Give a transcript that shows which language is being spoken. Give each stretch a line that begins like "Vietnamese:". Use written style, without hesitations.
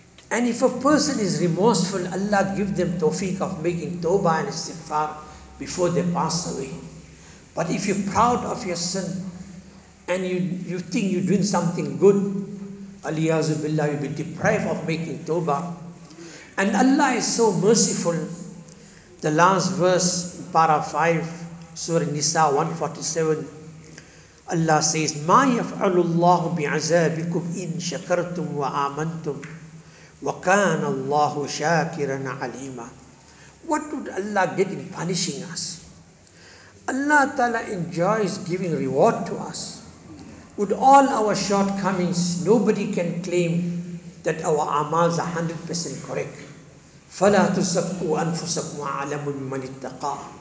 English: And if a person is remorseful, Allah give them tawfiq of making tawbah and istighfar before they pass away. But if you're proud of your sin and you think you're doing something good, aliyazu billah, you'll be deprived of making tawbah. And Allah is so merciful. The last verse, para 5, Surah Nisa 147, Allah says,
Arabic: مَا يَفْعَلُ اللَّهُ بِعَزَابِكُمْ إِن شَكَرْتُمْ وَآمَنْتُمْ وَكَانَ اللَّهُ شَاكِرًا عَلِيمًا.
English: What would Allah get in punishing us? Allah Ta'ala enjoys giving reward to us. With all our shortcomings, nobody can claim that our amals are 100% correct.
Arabic: فَلَا تُزَكُّوا أَنفُسَكُمْ وَعَلَمُوا مِمَّنِ اتَّقَى.